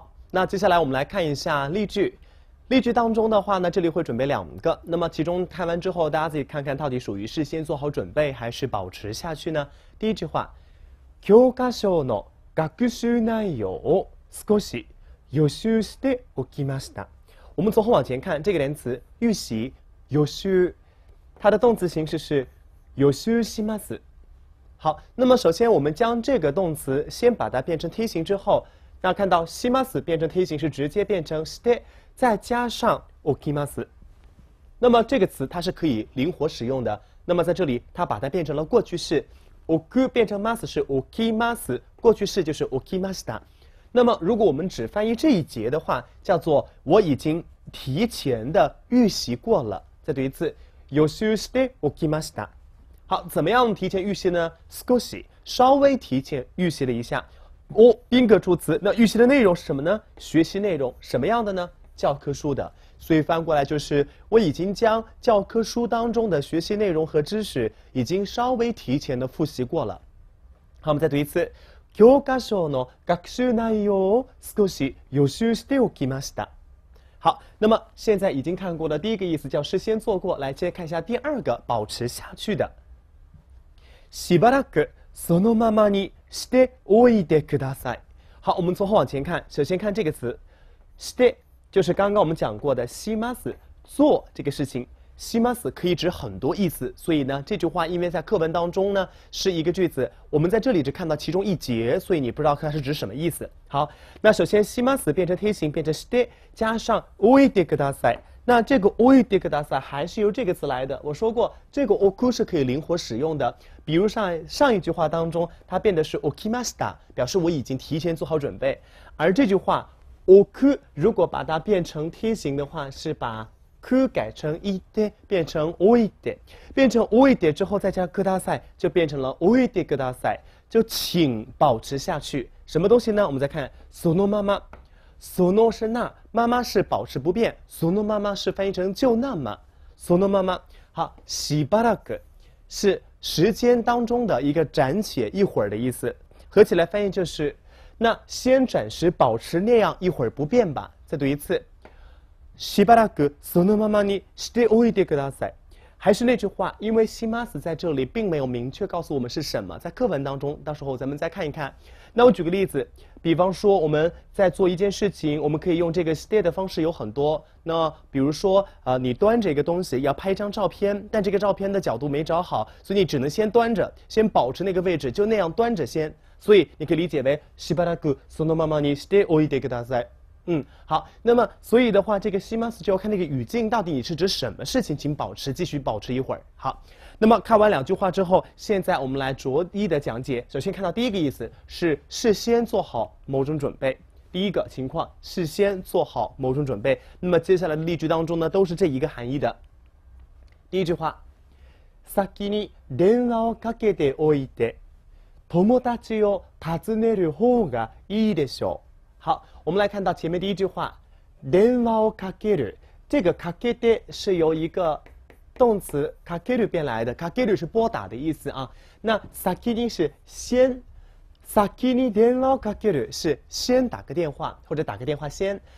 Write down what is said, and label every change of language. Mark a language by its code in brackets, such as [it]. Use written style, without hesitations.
[zh] 那接下来我们来看一下例句。例句当中的话呢，这里会准备两个，那么其中看完之后，大家自己看看到底属于是先做好准备还是保持下去呢？第一句话， [ja] 教科書の学習内容を少し予習しておきました。 [zh] 我们从后往前看，这个连词预习予習，它的动词形式是予習します。好，那么首先我们将这个动词先把它变成梯形之后，那看到します变成梯形是直接变成して，再加上おきます。那么这个词它是可以灵活使用的。那么在这里，它把它变成了过去式，おく变成ます是おきます，过去式就是おきました。那么如果我们只翻译这一节的话，叫做我已经提前的预习过了。再读一次， [ja] 予習しておきました。 [zh] 好，怎么样提前预习呢？少し，稍微提前预习了一下。哦，宾格助词，那预习的内容是什么呢？学习内容，什么样的呢？教科书的。所以翻过来就是，我已经将教科书当中的学习内容和知识已经稍微提前的复习过了。好，我们再读一次， [ja] 教科書の学習内容を少し予習しておきました。 [zh] 好，那么现在已经看过的第一个意思叫事先做过，来接着看一下第二个，保持下去的。 [ja] しばらくそのままにしておいてください。 [zh] 好，我们从后往前看，首先看这个词，して就是刚刚我们讲过的します，做这个事情。します可以指很多意思，所以呢，这句话因为在课文当中呢是一个句子，我们在这里只看到其中一节，所以你不知道它是指什么意思。好，那首先します变成梯形，变成して加上おいてください。那这个おいてください还是由这个词来的。我说过，这个おく是可以灵活使用的。比如上一句话当中，它变的是おきました，表示我已经提前做好准备。而这句话おく如果把它变成梯形的话，是把く改成いて，变成おいて，变成おいて之后再加ください，就变成了おいてください，就请保持下去。什么东西呢？我们再看，そのまま，その是那，妈妈是保持不变，そのまま是翻译成就那么，そのまま。好，しばらく是时间当中的一个暂且、一会儿的意思，合起来翻译就是，那先暂时保持那样一会儿不变吧。再读一次。 [ja] しばらくそのままにしておいてください。 [zh] 还是那句话，因为します在这里并没有明确告诉我们是什么，在课文当中，到时候咱们再看一看。那我举个例子，比方说我们在做一件事情，我们可以用这个 stay 的方式有很多。那比如说，你端着一个东西要拍一张照片，但这个照片的角度没找好，所以你只能先端着，先保持那个位置，就那样端着先。所以你可以理解为 [ja] しばらくそのままにしておいてください。 [zh] 好，那么所以的话，这个します就要看那个语境到底你是指什么事情，请保持，继续保持一会儿。好，那么看完两句话之后，现在我们来逐一的讲解。首先看到第一个意思是事先做好某种准备，第一个情况事先做好某种准备。那么接下来的例句当中呢，都是这一个含义的。第一句话， [ja] 先に電話をかけておいて、友達を訪ねる方がいいでしょう。 [zh] 好，我们来看到前面第一句话， [ja] 電話をかける。 [zh] 这个かけて是由一个动词かける变来的，かける是拨打的意思啊。那先に是先， [ja] 先に電話をかける [zh] 是先打个电话或者打个电话先。